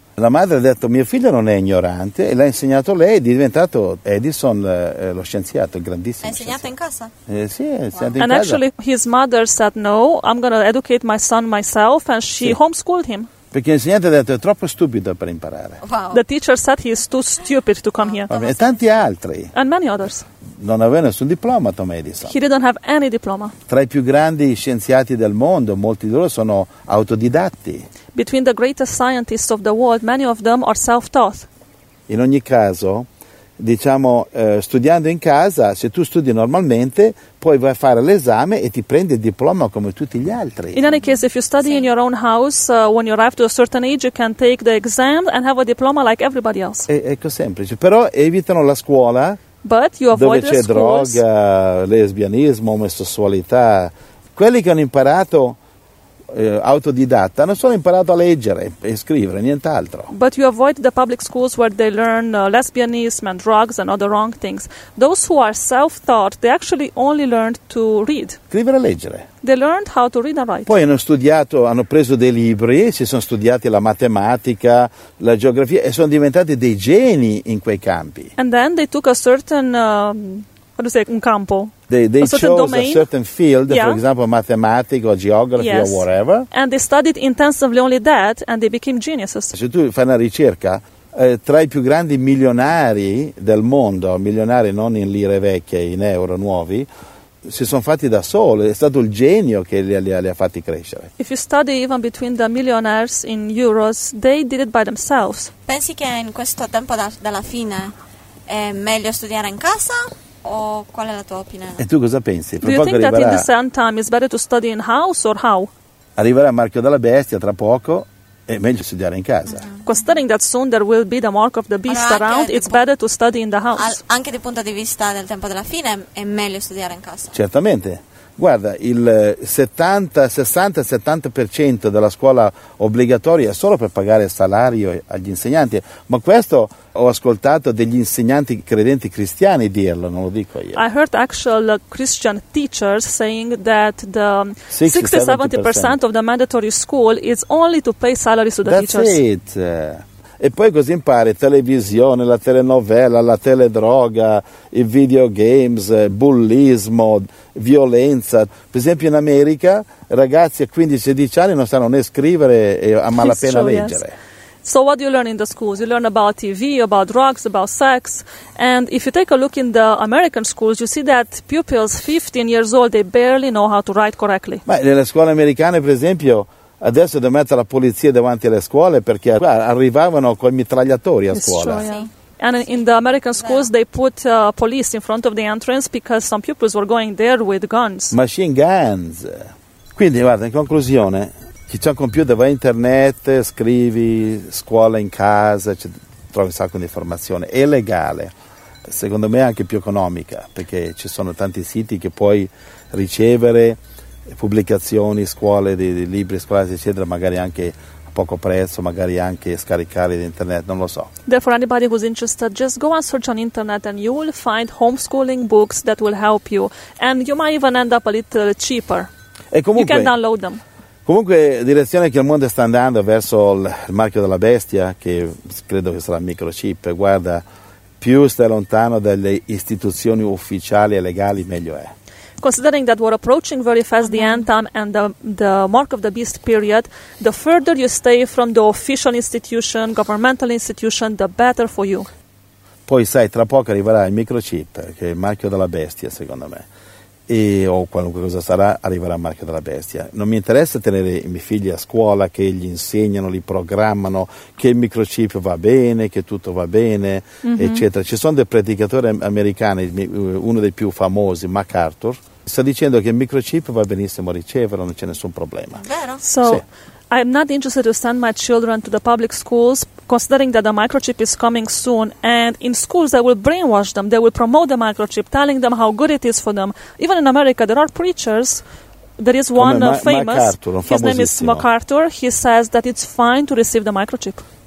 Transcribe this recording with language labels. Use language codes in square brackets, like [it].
[it] La madre ha detto mio figlio non è ignorante, e l'ha insegnato lei, è diventato Edison lo scienziato, il grandissimo. Ha insegnato in casa? Sì, ha insegnato in casa. [en] And actually his mother said no, I'm going to educate my son myself, and she homeschooled him. [it] Perché l'insegnante ha detto è troppo stupido per imparare. [en] Wow. The teacher said he is too stupid to come here. [it] E tanti altri. [en] And many others. [it] non aveva nessun diploma, Tom Edison. [en] He didn't have any diploma. [it] Tra i più grandi scienziati del mondo, molti di loro sono autodidatti. [en] Between the greatest scientists of the world, many of them are self-taught. [it] In ogni caso, diciamo, studiando in casa, se tu studi normalmente, poi vai a fare l'esame e ti prendi il diploma come tutti gli altri. [en] In any case, if you study in your own house, when you arrive to a certain age, you can take the exam and have a diploma like everybody else. [it] Ecco, semplice. Però evitano la scuola. [en] But you avoid [it] dove c'è droga, lesbianismo, omosessualità. Quelli che hanno imparato autodidatta hanno solo imparato a leggere e scrivere, nient'altro. [en] But you avoid the public schools where they learn lesbianism and drugs and other wrong things. Those who are self-taught, they actually only learned to read. [it] Scrivere e leggere. [en] They learned how to read and write. [it] Poi hanno studiato, hanno preso dei libri, si sono studiati la matematica, la geografia e sono diventati dei geni in quei campi. [en] And then they took a certain [it] un campo. [en] They a chose domain. A certain field, yeah. For example, mathematics or geography, yes. Or whatever. And they studied intensively only that and they became geniuses. [it] Se tu fai una ricerca, tra i più grandi milionari del mondo, milionari non in lire vecchie, in euro nuovi, si sono fatti da soli, è stato il genio che li ha fatti crescere. [en] If you study even between the millionaires in euros, they did it by themselves. [it] Pensi che in questo tempo della fine è meglio studiare in casa? O qual è la tua opinione? E tu cosa pensi? [en] Do you think that in the same time it's better to study in house or how? [it] Arriverà il marchio della bestia tra poco, è meglio studiare in casa. Mm-hmm. [en] Considering that soon there will be the mark of the beast around, it's better to study in the house. [it] Anche dal punto di vista del tempo della fine è meglio studiare in casa. Certamente. Guarda, il 60-70% della scuola obbligatoria è solo per pagare il salario agli insegnanti, ma questo ho ascoltato degli insegnanti credenti cristiani dirlo, non lo dico io. [en] I heard actual Christian teachers saying that the 60-70% of the mandatory school is only to pay salaries to the That's teachers. That's it. [it] E poi così impari televisione, la telenovela, la teledroga, i videogames, bullismo, violenza. Per esempio in America ragazzi a 15-16 anni non sanno né scrivere e a malapena leggere. [en] Yes. So what do you learn in the schools? You learn about TV, about drugs, about sex. And if you take a look in the American schools, you see that pupils 15 years old, they barely know how to write correctly. [it] Ma nelle scuole americane, per esempio, adesso devo mettere la polizia davanti alle scuole perché arrivavano con i mitragliatori a scuola. Sì. [en] And in the American schools they put police in front of the entrance because some pupils were going there with guns. Machine guns. [it] Quindi guarda, in conclusione, chi c'ha un computer va a internet, scrivi, scuola in casa, trovi un sacco di informazione. È legale. Secondo me è anche più economica, perché ci sono tanti siti che puoi ricevere pubblicazioni, scuole, di libri scolastici, eccetera, magari anche a poco prezzo, magari anche scaricarli da internet, non lo so. [en] Therefore, anybody who's interested, just go and search on internet and you will find homeschooling books that will help you. And you might even end up a little cheaper. [it] E comunque, [en] you can download them. [it] Comunque, direzione che il mondo sta andando verso il marchio della bestia, che credo che sarà il microchip, guarda, più stai lontano dalle istituzioni ufficiali e legali, meglio è. [en] Considering that we're approaching very fast the end time and the mark of the beast period, the further you stay from the official institution, governmental institution, the better for you. [it] Poi sai, tra poco arriverà il microchip, che è il marchio della bestia, secondo me. O qualunque cosa sarà, arriverà il marchio della bestia. Non mi interessa tenere i miei figli a scuola, che gli insegnano, li programmano, che il microchip va bene, che tutto va bene, mm-hmm. eccetera. Ci sono dei predicatori americani, uno dei più famosi, MacArthur, sta dicendo che il microchip va benissimo a riceverlo, non c'è nessun problema. Vero? [en] So, [it] sì. [en] I'm not interested to send my children to the public schools, considering that the microchip is coming soon, and in schools they will brainwash them, they will promote the microchip, telling them how good it is for them. Even in America there are preachers, there is one famous, MacArthur, his name is MacArthur, he says that it's fine to receive the microchip.